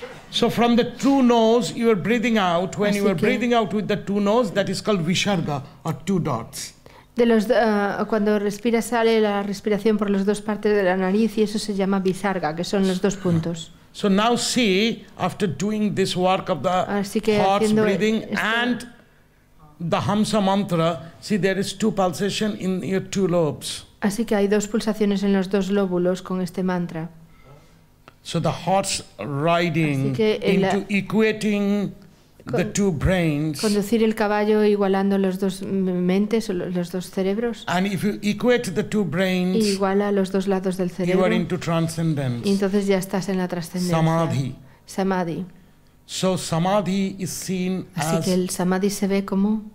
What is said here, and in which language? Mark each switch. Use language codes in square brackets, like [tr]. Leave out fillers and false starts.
[en] So from the two nose you are breathing out. When you are breathing out with the two nose, that is called visarga or two dots. [es] De los cuando respira sale la respiración por las dos partes de la nariz y eso se llama visarga, que son los dos puntos. [en] So now see, after doing this work of the heart breathing and the Hamsa mantra, see there is two pulsation in your two lobes. [es] Así que hay dos pulsaciones en los dos lóbulos con este mantra. [en] So the heart's riding into equating the two brains. [es] Conducir el caballo igualando los dos mentes o los dos cerebros. [en] And if you equate the two brains, [es] iguala los dos lados del cerebro. [en] You are into transcendence. [es] Y entonces ya estás en la trascendencia. [en] Samadhi. [es] Samadhi. [en] So samadhi is seen [es] así [en] as [es] que el samadhi se ve como